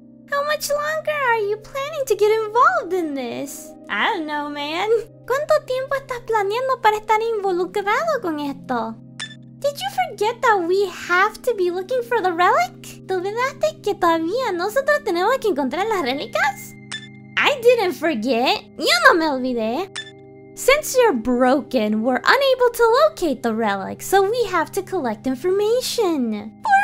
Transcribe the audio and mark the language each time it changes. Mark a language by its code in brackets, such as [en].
[en] How much longer are you planning to get involved in this? I don't know, man. [es] ¿Cuánto tiempo estás planeando para estar involucrado con esto? [en] Did you forget that we have to be looking for the relic? [es] ¿Te olvidaste que todavía nosotros tenemos que encontrar las relicas? [en] I didn't forget. [es] Yo no me olvidé. [en] Since you're broken, we're unable to locate the relic, so we have to collect information.